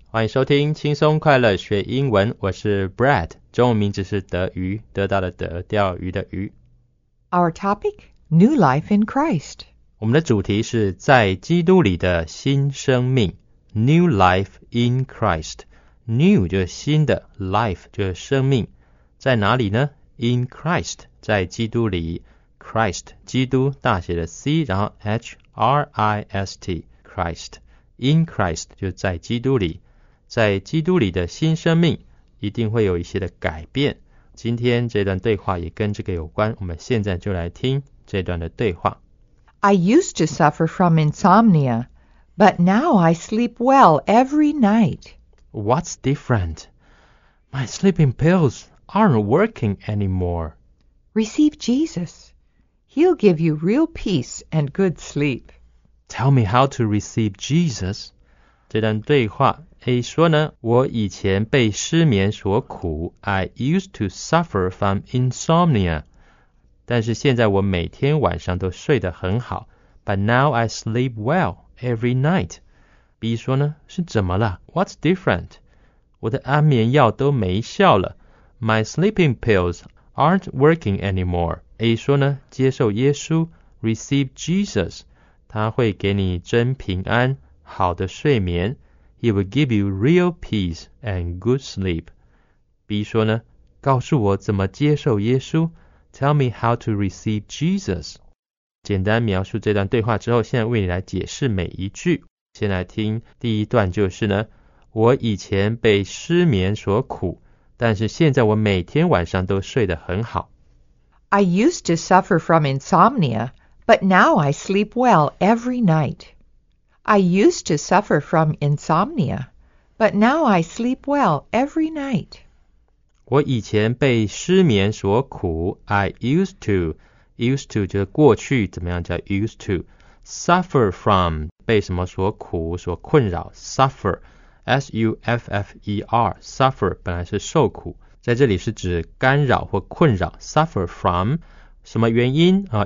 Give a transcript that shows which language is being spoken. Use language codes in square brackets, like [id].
[zh] 欢迎收听轻松快乐学英文。我是 Brad. 中文名字是德鱼，得到的德，钓鱼的鱼。 [en] Our topic: New Life in Christ. [zh] 我们的主题是在基督里的新生命。 [en] New Life in Christ. [zh] New 就是新的 ，Life 就是生命。在哪里呢 ？ [en] In Christ， [zh] 在基督里。 Christ， 基督，大写的 C， 然后 H R I S T。 [en] Christ, in Christ, [zh] 就在基督里，在基督里的新生命一定会有一些的改变。今天这段对话也跟这个有关，我们现在就来听这段的对话。 [en] I used to suffer from insomnia, but now I sleep well every night. What's different? My sleeping pills aren't working anymore. Receive Jesus. He'll give you real peace and good sleep. Tell me how to receive Jesus. [zh] 这段对话 A 说呢，我以前被失眠所苦 [en] I used to suffer from insomnia. [zh] 但是现在我每天晚上都睡得很好 [en] But now I sleep well every night. [zh] B 说呢，是怎么了 [en] What's different? [zh] 我的安眠药都没效了 [en] My sleeping pills aren't working anymore. [zh] A 说呢，接受耶稣 [en] Receive Jesus. [zh] 他会给你真平安，好的睡眠。 [en] He will give you real peace and good sleep. [zh] B 说呢，告诉我怎么接受耶稣。 [en] Tell me how to receive Jesus. [zh] 简单描述这段对话之后，现在为你来解释每一句。先来听第一段，就是呢，我以前被失眠所苦，但是现在我每天晚上都睡得很好。 [en] I used to suffer from insomnia. But now I sleep well every night. I used to suffer from insomnia, but now I sleep well every night. [zh] 我以前被失眠所苦 [en] I used to [zh] 就是过去怎么样叫 used to. Suffer from 被什么所苦所困扰 suffer, S-U-F-F-E-R, suffer 本来是受苦在这里是指干扰或困扰 [en] suffer from, [zh] 什么原因啊？